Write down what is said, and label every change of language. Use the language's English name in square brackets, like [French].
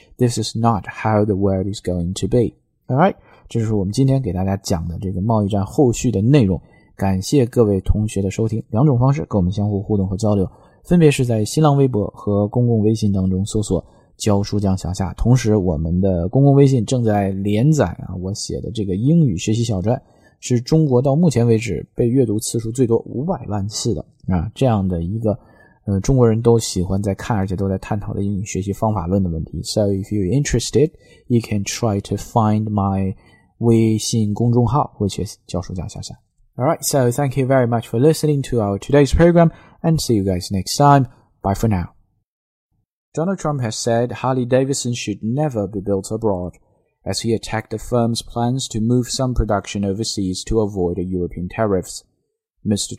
[English] This is not how the world is going to be. [Chinese] Alright, 这是我们今天给大家讲的这个贸易战后续的内容。感谢各位同学的收听，两种方式跟我们相互互动和交流，分别是在新浪微博和公共微信当中搜索教书匠小夏，同时我们的公共微信正在连载啊，我写的这个英语学习小传是中国到目前为止被阅读次数最多500万次的啊，这样的一个中国人都喜欢在看而且都在探讨的英语学习方法论的问题。 [English] So if you're interested, you can try to find my 微信公众号 which is 教书匠小夏。 Alright, so thank you very much for listening to our today's program and see you guys next time. Bye for now. Donald Trump has said Harley Davidson should never be built abroad, as he attacked the firm's plans to move some production overseas to avoid European tariffs. Mr.